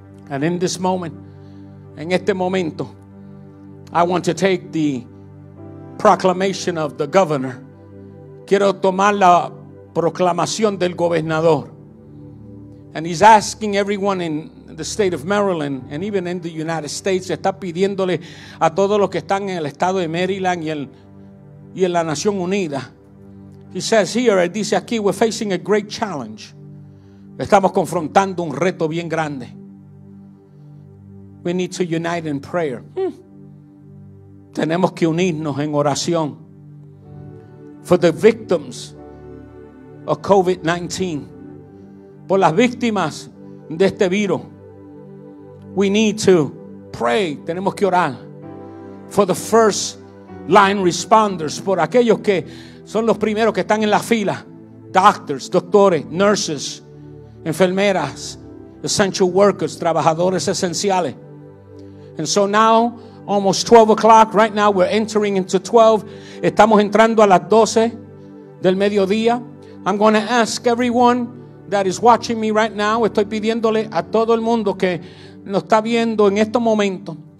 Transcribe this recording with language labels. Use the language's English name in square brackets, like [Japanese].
[English] And in this moment, [Spanish] en este momento, [English] I want to take the proclamation of the governor. [Spanish] Quiero tomar la proclamación del gobernador. [English] And he's asking everyone in the state of Maryland and even in the United States. [Spanish] Está pidiéndole a todos los que están en el estado de Maryland y en la Nación Unida. [English] He says here, [Spanish] dice aquí, [English] we're facing a great challenge. [Spanish] Estamos confrontando un reto bien grande. [English] We need to unite in prayer. [Spanish] Tenemos que unirnos en oración. [English] For the victims of COVID-19. [Spanish] Por las víctimas de este virus. [English] We need to pray. [Spanish] Tenemos que orar. [English] For the first line responders. [Spanish] Por aquellos que son los primeros que están en la fila. [English] Doctors, [Spanish] doctores, [English] nurses, [Spanish] enfermeras, [English] essential workers, [Spanish] trabajadores esenciales. [English] And so now, almost 12 o'clock, right now we're entering into 12. [Spanish] Estamos entrando a las 12 del mediodía. [English] I'm going to ask everyone that is watching me right now. [Spanish] Estoy pidiéndole a todo el mundo que nos está viendo en este momento.